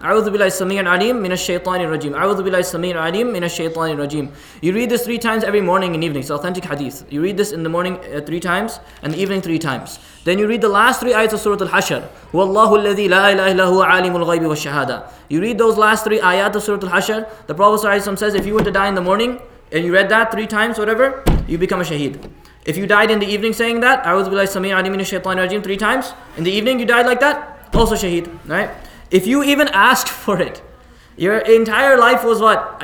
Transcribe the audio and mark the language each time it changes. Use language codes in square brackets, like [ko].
[ar] أعوذ بالله السميع العليم من الشيطان الرجيم. أعوذ بالله السميع العليم من الشيطان الرجيم. [en] You read this three times every morning and evening. It's authentic hadith. You read this in the morning three times and the evening three times. Then you read the last three ayats of Surah Al-Hashr. [ar] والله الذي لا إله إلا هو عالم الغيب والشهادة. [en] You read those last three ayat of Surah Al-Hashr. The Prophet ﷺ says, if you were to die in the morning and you read that three times, whatever, you become a shaheed. If you died in the evening saying that, [ar] أعوذ بالله السميع العليم من الشيطان الرجيم, [en] three times, in the evening you died like that, also shaheed, right? If you even asked for it, your entire life was what?